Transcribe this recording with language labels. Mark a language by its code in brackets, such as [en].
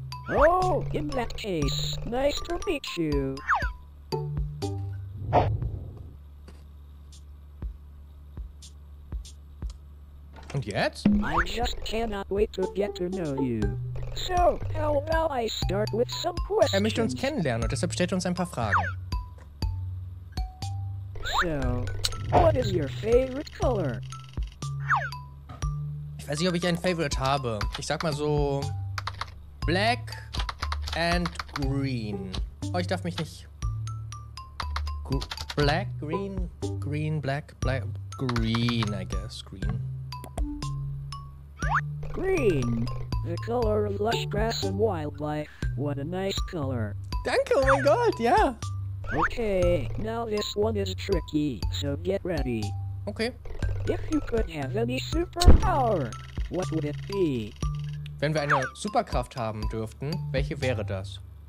[en] Oh, in that case, nice to meet you. Yet? I just cannot wait to get to know you. So, how about I start with some questions? [de] Er möchte uns kennenlernen und deshalb stellt er uns ein paar Fragen. [en] So, what is your favorite color? [de] Ich weiß nicht, ob ich einen Favorite habe. Ich sag mal so [en] Black and Green. [de] Oh, ich darf mich nicht. [en] Black, Green, Green, Black, Black, Green, I guess. Green. Green, the color of lush grass and wildlife. What a nice color. [de] Danke, [en] oh my god, yeah. Okay, now this one is tricky, so get ready. Okay. If you could have any superpower, what would it be? [de] Wenn wir eine Superkraft haben dürften, welche wäre das?